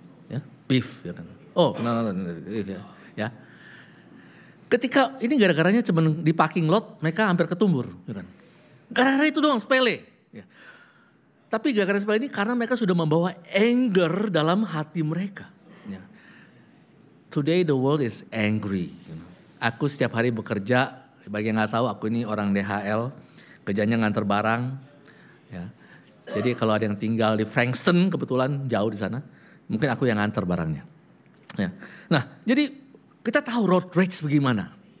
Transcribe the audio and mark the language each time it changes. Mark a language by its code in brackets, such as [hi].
[id] Ya, Beef. Ya kan? Oh, pernah nonton. Ya. Ketika ini gara-garanya cuma di parking lot, mereka hampir ketumbur. Ya kan? Gara-gara itu doang, sepele. Ya. Tapi gara-gara sepele ini karena mereka sudah membawa anger dalam hati mereka. Ya. [en] Today the world is angry. [id] Aku setiap hari bekerja, bagi yang gak tahu aku ini orang DHL, kerjanya ngantar barang. Ya. Jadi kalau ada yang tinggal di Frankston, kebetulan jauh di sana, mungkin aku yang ngantar barangnya. Ya. Nah, jadi kita tahu road rage bagaimana.